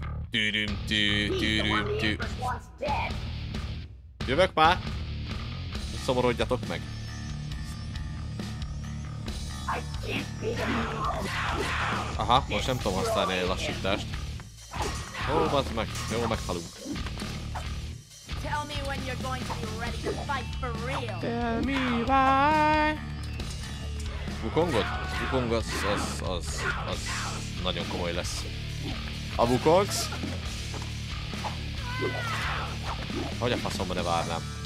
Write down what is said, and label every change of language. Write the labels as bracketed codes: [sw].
[hu] Tűrüm tű, tűrüm tű. Jövök már! Szomorodjatok meg! Aha, most nem tudom használni a lassítást. Ó, bazd meg! Jó, meghalunk. [en] Tell me when you're going to be ready to fight for real! Tell me why! [hu] Wukongot? A Wukong az nagyon komoly lesz. A Wukongs? Hogy a faszomba ne várnám?